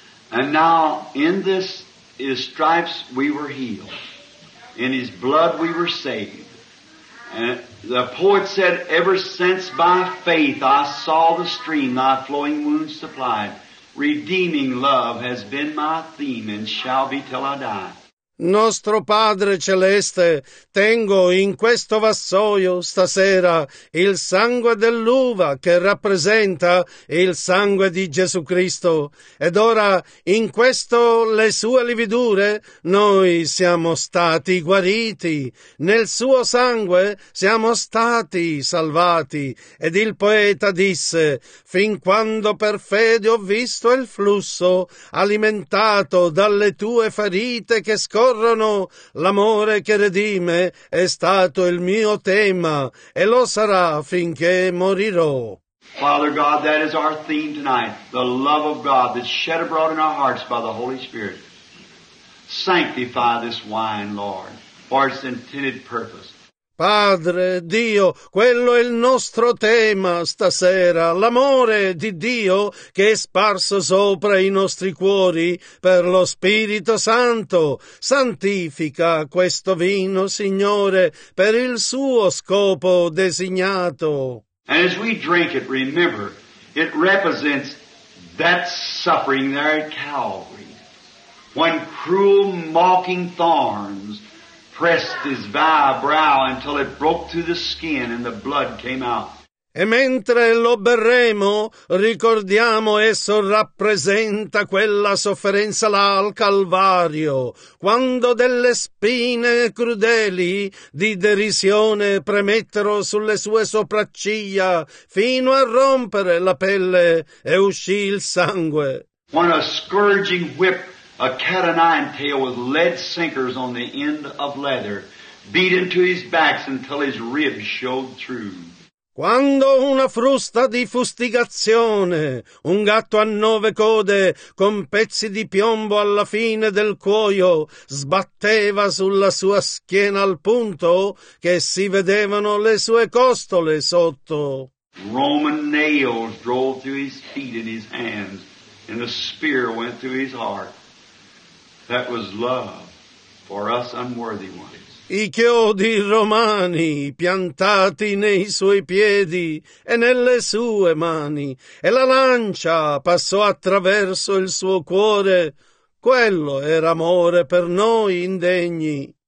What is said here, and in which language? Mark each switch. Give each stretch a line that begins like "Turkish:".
English: And now, in this, His stripes we were healed. In His blood we were saved. And the poet said, ever since by faith I saw the stream thy flowing wounds supplied, redeeming love has been my theme and shall be till I die.
Italian: Nostro Padre Celeste, tengo in questo vassoio stasera il sangue dell'uva che rappresenta il sangue di Gesù Cristo. Ed ora, in questo le sue lividure, noi siamo stati guariti. Nel suo sangue siamo stati salvati. Ed il poeta disse, fin quando per fede ho visto il flusso, alimentato dalle tue ferite che scorrono, l'amore che redime è stato il mio tema e lo sarà finché morirò.
English: Father God, that is our theme tonight, the love of God that's shed abroad in our hearts by the Holy Spirit. Sanctify this wine, Lord, for its intended purpose.
Italian: Padre, Dio, quello è il nostro tema stasera, l'amore di Dio che è sparso sopra i nostri cuori per lo Spirito Santo. Santifica questo vino, Signore, per il suo scopo designato.
English: And as we drink it, remember, it represents that suffering there at Calvary, when cruel mocking thorns pressed his brow until it broke through the skin and the blood came out.
Italian: E mentre lo berremo, ricordiamo esso rappresenta quella sofferenza là al Calvario, quando delle spine crudeli di derisione premettero sulle sue sopracciglia fino a rompere la pelle e uscì il sangue.
English: When a scourging whip, a cat o' nine tail with lead sinkers on the end of leather, beat into his back until his ribs showed through.
Italian: Quando una frusta di fustigazione, un gatto a nove code con pezzi di piombo alla fine del cuoio, sbatteva sulla sua schiena al punto che si vedevano le sue costole sotto.
English: Roman nails drove through his feet and his hands, and a spear went through his heart. That was love for us unworthy ones.
Italian: I chiodi romani piantati nei suoi piedi e nelle sue mani, e la lancia passò attraverso il suo cuore. Quello era amore per noi indegni.